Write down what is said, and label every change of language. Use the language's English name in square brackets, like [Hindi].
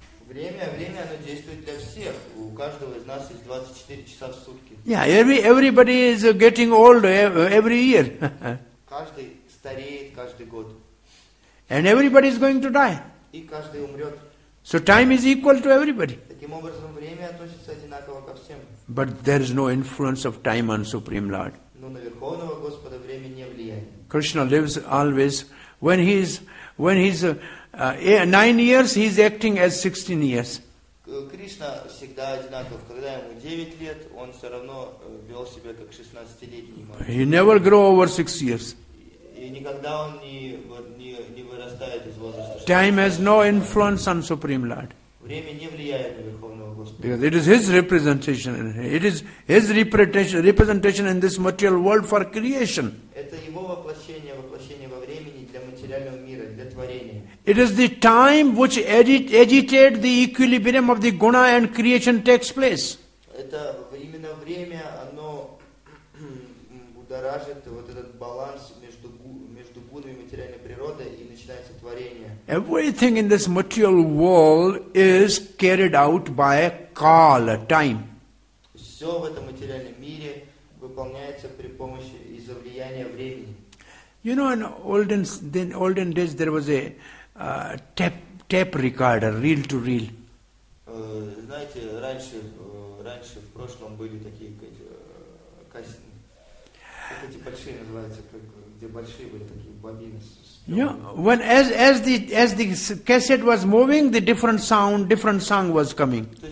[Russian] Время, оно действует для всех. У каждого из нас есть 24 часа в сутки. [English] Yeah, everybody is getting old every year. [Russian] Каждый стареет каждый год. [English] And everybody is going to die. [Russian] И каждый умрет. [English] So time is equal to everybody. [Russian] Таким образом, время относится одинаково ко всем. [English] But there is no influence of time on Supreme Lord. [Russian] Но на Верховного Господа время не влияет. [English] Krishna lives always. When he's 9 years, he's acting as 16 years. [Russian] Кришна всегда одинаков. Когда ему 9 лет, он все равно вел себя как 16-летний. [English] He never grow over 6 years. [Russian] И никогда он не вырастает из возраста. [English] Time has no influence on Supreme Lord. [Russian] Время не влияет на Верховного. [English] Because it is his representation. It is his representation in this material world for creation. [Russian] Это его воплощение во времени для материального мира, для творения. [English] It is the time which agitate the equilibrium of the guna and creation takes place. [Russian] Это именно время, оно будоражит вот этот баланс между гунами материальной природы и начинается творение. [English] Everything in this material world is carried out by call, time. [Russian] Все в этом материальном мире выполняется при помощи из-за влияния времени. [English] You know, in olden days there was a tape recorder, reel to reel. [Russian] Знаете, раньше в прошлом были такие кассеты, как эти большие называются, где большие были такие бобины. [English] Yeah, when as the cassette was moving, the different sound, different song was coming.